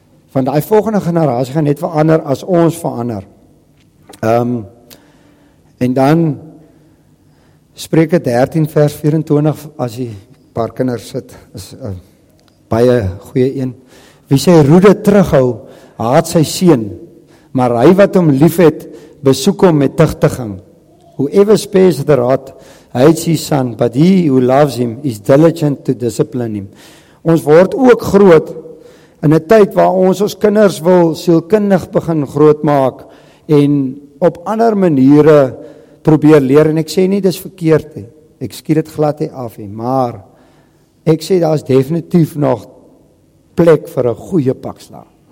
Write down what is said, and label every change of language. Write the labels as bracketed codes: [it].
[af] Want daai volgende generasie gaan net verander as ons verander. En dan Spreuke 13 vers 24, as die paar kinders sit, is baie goeie een. Wie sy roede terughou, haat sy seun, maar hy wat hom lief het, besoek hom met tuchtiging. [en] Whoever spares the rod, hates his son, but he who loves him is diligent to discipline him. [af] Ons word ook groot in 'n tyd waar ons kinders wil sielkundig begin grootmaak en op ander maniere probeer leer, en ek sê nie dis verkeerd nie, ek skiet dit glad nie af nie, maar ek sê daar is definitief nog plek vir 'n goeie pakslag.